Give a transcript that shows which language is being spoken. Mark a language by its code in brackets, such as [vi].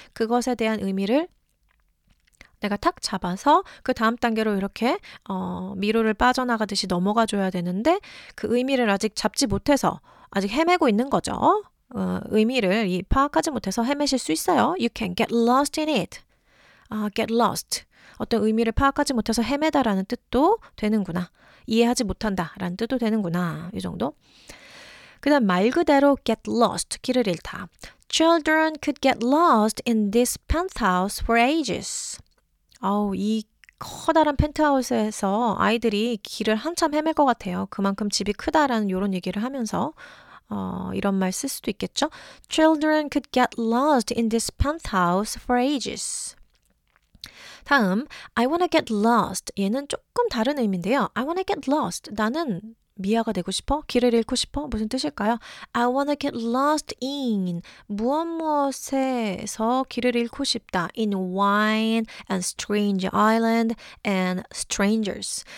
[ko] 그것에 대한 의미를 내가 탁 잡아서 그 다음 단계로 이렇게 미로를 빠져나가듯이 넘어가줘야 되는데 그 의미를 아직 잡지 못해서 아직 헤매고 있는 거죠. 의미를 파악하지 못해서 헤매실 수 있어요. [en] You can get lost in it. Get lost. [ko] 어떤 의미를 파악하지 못해서 헤매다라는 뜻도 되는구나. 이해하지 못한다라는 뜻도 되는구나. 이 정도. 그 다음 말 그대로 get lost. 길을 잃다. [en] Children could get lost in this penthouse for ages. [ko] 이 커다란 펜트하우스에서 아이들이 길을 한참 헤맬 것 같아요. 그만큼 집이 크다라는 이런 얘기를 하면서 이런 말 쓸 수도 있겠죠. [en] Children could get lost in this penthouse for ages. [ko] 다음, [en] I wanna get lost. [ko] 얘는 조금 다른 의미인데요. [en] I wanna get lost. [ko] 나는 미아가 되고 싶어? 길을 잃고 싶어? 무슨 뜻일까요? [en] I wanna get lost in [ko] 무엇 무엇에서 길을 잃고 싶다. [en] In wine and strange island and strangers.